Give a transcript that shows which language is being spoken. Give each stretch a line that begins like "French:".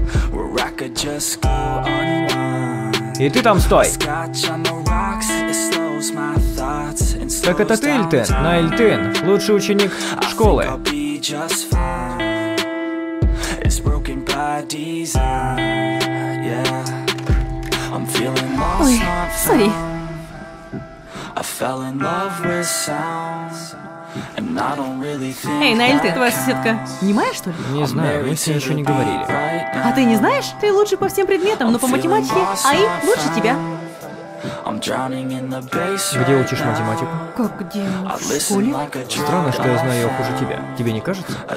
English: Where I could just go unwind.
Russian: И ты там стой.
English: Scotch on the rocks, it slows my thoughts and slows.
Russian: Так это ты, Ильтын? На Ильтын, лучший ученик школы.
English: I'll be just fine. It's broken by design. Yeah. I'm feeling lost, not found. I fell in love with sounds, and I don't really think.
Russian: Эй, Наиль, ты, твоя соседка, немая, что ли? Не знаю, мы все еще не говорили. А ты не знаешь? Ты лучше по всем предметам, но по математике АИ лучше тебя. Где учишь математику? Как где? В школе? Странно, что я знаю ее хуже тебя. Тебе не кажется?